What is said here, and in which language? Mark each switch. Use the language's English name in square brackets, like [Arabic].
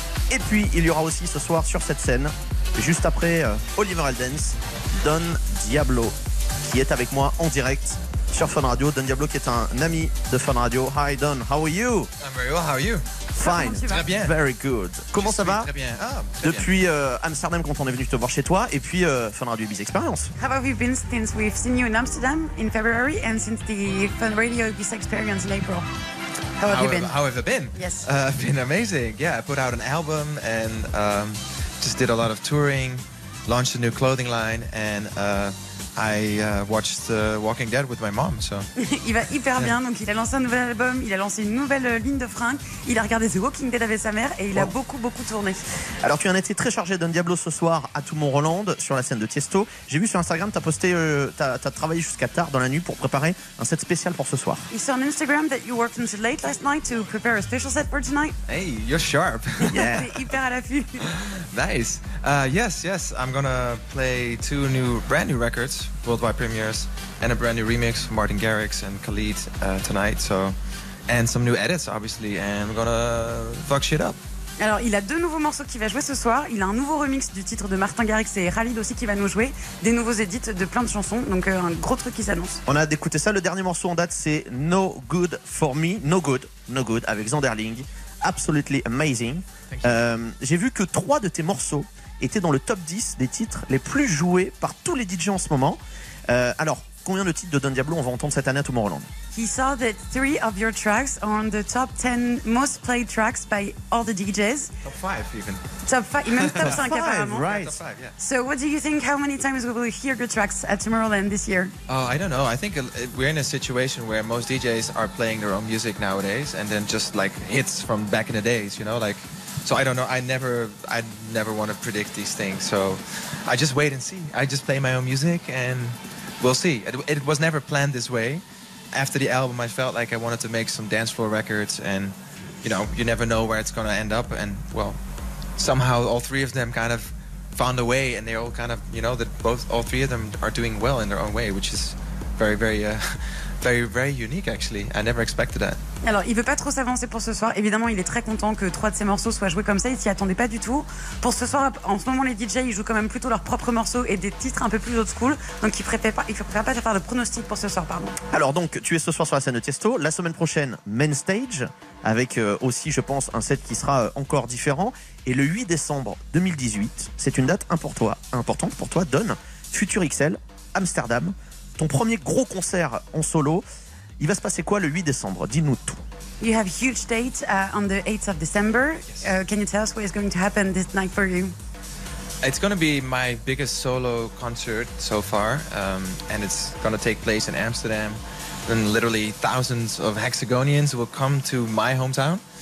[French] Et puis il y aura aussi ce soir sur cette scène, juste après Oliver Heldens, Don Diablo, qui est avec moi en direct sur Fun Radio. Don Diablo qui est un ami de Fun Radio. [English] Hi Don, how are you? I'm very well, how are you? Fine, [French] très bien. [English] Very good. [French] Comment je ça va? Très bien. Ah, très depuis Amsterdam, quand on est venu te voir chez toi, et puis Fun Radio Ibiza Experience. [English] How have you been since we've seen you in Amsterdam in February and since the Fun Radio Ibiza Experience in April? How have you been? Yes. Been amazing. Yeah, I put out an album and just did a lot of touring, launched a new clothing line and I watched Walking Dead with my mom, so. [French] Il va hyper bien, donc il a lancé un nouvel album, il a lancé une nouvelle ligne de fringues, il a regardé The Walking Dead avec sa mère et il a beaucoup, beaucoup tourné. Alors, tu en étais très chargé, Don Diablo, ce soir à Toumont Hollande, sur la scène de Tiesto. J'ai vu sur Instagram, t'as posté, t'as travaillé jusqu'à tard dans la nuit pour préparer un set spécial pour ce soir. [English] I saw on Instagram that you worked until late last night to prepare a special set for tonight. Hey, you're sharp. [French] Yeah. T'es hyper à l'affût. [English] Nice. Yes, I'm gonna play two new, brand new records. Worldwide premieres and a brand new remix from Martin Garrix and Khalid tonight. So, and some new edits, obviously, and we're gonna fuck shit up. [French] Alors, il a deux nouveaux morceaux qu'il va jouer ce soir. Il a un nouveau remix du titre de Martin Garrix et Khalid aussi qui va nous jouer. Des nouveaux edits de plein de chansons. Donc, un gros truc qui s'annonce. On a d'écouter ça. Le dernier morceau en date, c'est No Good For Me. [English] No Good, No Good, avec Zanderling. Absolutely amazing. [French] J'ai vu que trois de tes morceaux était dans le top 10 des titres les plus joués par tous les DJ en ce moment. Alors, combien de titres de Don Diablo on va entendre cette année à Toumont Hollande? [English] He saw that three of your tracks are on the top 10 most played tracks by all the DJs. Top 5 even. [French] Top 5, même top 5 apparemment. [English] Five, right. Yeah, top 5, yeah. So what do you think, how many times will we hear your tracks at Toumont Hollande this year? Oh, I don't know. I think we're in a situation where most DJs are playing their own music nowadays and then just like hits from back in the days, you know, like... So I don't know, I never want to predict these things. So I just wait and see. I just play my own music and we'll see. It was never planned this way. After the album, I felt like I wanted to make some dance floor records and, you know, you never know where it's going to end up. And, well, somehow all three of them kind of found a way and they all kind of, you know, that both all three of them are doing well in their own way, which is very, very... Very, very unique actually. I never expected that. [French] Alors, il veut pas trop s'avancer pour ce soir. Évidemment, il est très content que trois de ses morceaux soient joués comme ça. Il s'y attendait pas du tout. Pour ce soir, en ce moment, les DJ ils jouent quand même plutôt leurs propres morceaux et des titres un peu plus old school. Donc, il préfère pas faire de pronostic pour ce soir, pardon. Alors, donc, tu es ce soir sur la scène de Tiesto. La semaine prochaine, Main Stage, avec aussi, je pense, un set qui sera encore différent. Et le 8 décembre 2018, c'est une date importante pour toi, Don. Future XL, Amsterdam. Ton premier gros concert en solo, il va se passer quoi le 8 décembre? Dis-nous tout. [English] You have a huge date on the 8th of December. Yes. Can you tell us what is going to happen this night for you? It's going to be my biggest solo concert so far. And it's going to take place in Amsterdam. And literally thousands of Hexagonians will come to my hometown.